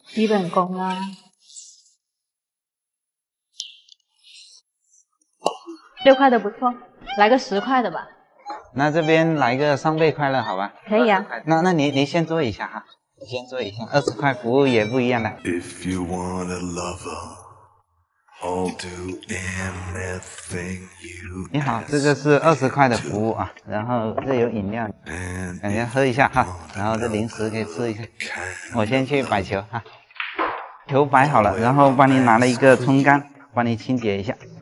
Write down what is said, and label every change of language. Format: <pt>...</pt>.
<zh>基本功啊。六块的不错，来个十块的吧。那这边来个双倍快乐好吧？可以啊。那你先坐一下哈，你先坐一下，二十块服务也不一样的。</zh> <en>If you want a lover,I'll do anything you ask.</en> <zh>你好，这个是二十块的服务啊，然后这有饮料，感觉喝一下哈，然后这零食可以吃一下。我先去摆球哈，球摆好了，然后帮你拿了一个冲杆，帮你清洁一下。</zh>